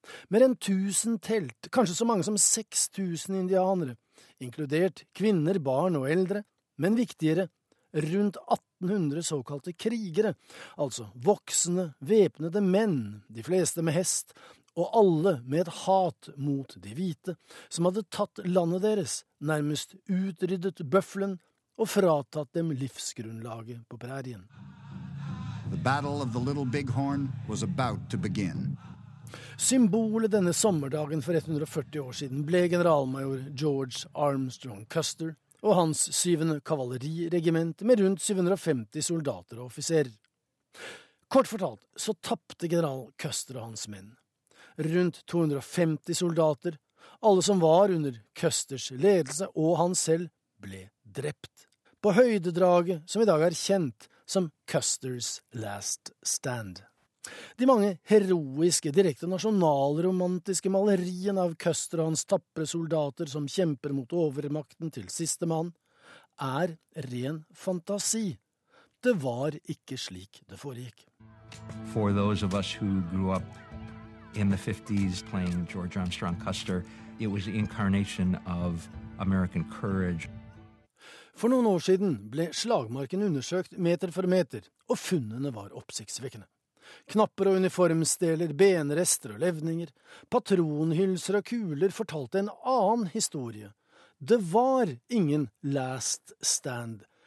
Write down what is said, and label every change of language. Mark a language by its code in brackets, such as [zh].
[no] Mer enn 1000 telt, kanskje så mange som 6000 indianere, inkludert kvinner, barn og eldre, men viktigere, rundt 1800 såkalte krigere, altså voksne, væpnede menn, de fleste med hest, og alle med et hat mot de hvite, som hadde tatt landet deres, nærmest utryddet bøffelen, og fratatt dem livsgrunnlaget på prærien. [en] The Battle of the Little Bighorn was about to begin. [no] Symbolet denne sommerdagen for 140 år siden ble generalmajor George Armstrong Custer og hans 7. kavaleriregiment med rundt 750 soldater og offiserer. Kort fortalt så tapte general Custer og hans menn. Rundt 250 soldater, alle som var under Custers ledelse og han selv, ble drept. På høydedraget som i dag er kjent som Custer's Last Stand. De mange heroiske, direkte nasjonalromantiske maleriene av Custer og hans tapre soldater som kjemper mot overmakten til siste mann, er ren fantasi. det var ikke slik det foregikk. [en] For those of us who grew up in the 50s playing George Armstrong Custer, it was the incarnation of American courage. [no] For noen år siden ble slagmarken undersøkt meter for meter, og funnene var oppsiktsvekkende. Knapper og uniformsdeler, benrester og levninger, patronhylser og kuler fortalte en annen historie. Det var ingen last stand.